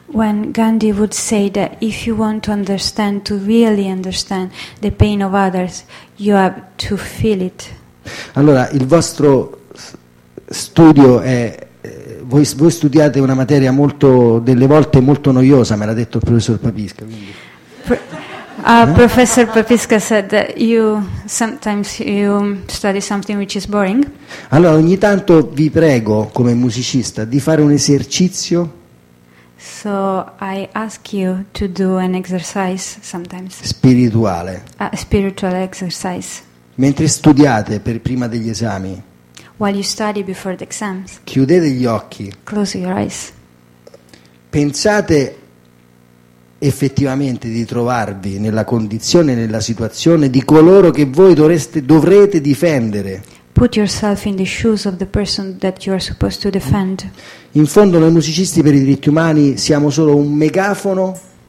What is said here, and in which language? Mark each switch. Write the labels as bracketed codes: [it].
[en] When Gandhi would say that if you want to understand, to really understand the pain of others, you have to feel it. [it] Allora, il vostro studio è voi studiate una materia molto, delle volte molto noiosa, me l'ha detto il professor Papisca, quindi. [en] Professor Papisca said that you sometimes you study something which is boring. [it] Allora, ogni tanto vi prego come musicista di fare un esercizio. [en] So I ask you to do an exercise sometimes. [it] Spirituale. [en] A spiritual exercise. [it] Mentre studiate per prima degli esami. [en] While you study before the exams. [it] Chiudete gli occhi. [en] Close your eyes. [it] Pensate effettivamente di trovarvi nella condizione, nella situazione di coloro che voi dovrete difendere. [en] Put yourself in the shoes of the person that you are supposed to defend. [it] In fondo noi musicisti per i diritti umani siamo solo un megafono.